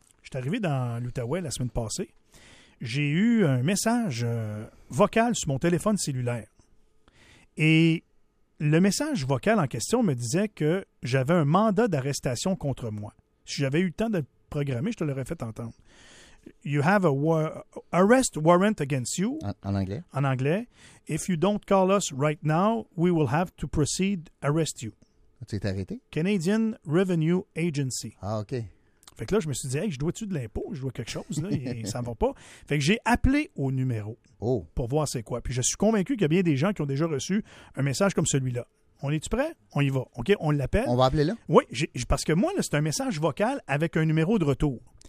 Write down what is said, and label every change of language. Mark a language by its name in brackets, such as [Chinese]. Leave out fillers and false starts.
[French] Je suis arrivé dans l'Outaouais la semaine passée. J'ai eu un message vocal sur mon téléphone cellulaire. Et... le message vocal en question me disait que j'avais un mandat d'arrestation contre moi. Si j'avais eu le temps de le programmer, je te l'aurais fait entendre. [English] You have a arrest warrant against you. [French] En anglais. En anglais. [English] If you don't call us right now, we will have to proceed arrest you. [French] Tu es arrêté? [English] Canadian Revenue Agency. [French] Ah, OK. Fait que là, je me suis dit, hey, je dois-tu de l'impôt? Je dois quelque chose, là, et ça ne va pas. Fait que j'ai appelé au numéro pour voir c'est quoi. Puis je suis convaincu qu'il y a bien des gens qui ont déjà reçu un message comme celui-là. On est-tu prêt? On y va. OK, on l'appelle. On va appeler là? Oui, parce que moi, là, c'est un message vocal avec un numéro de retour.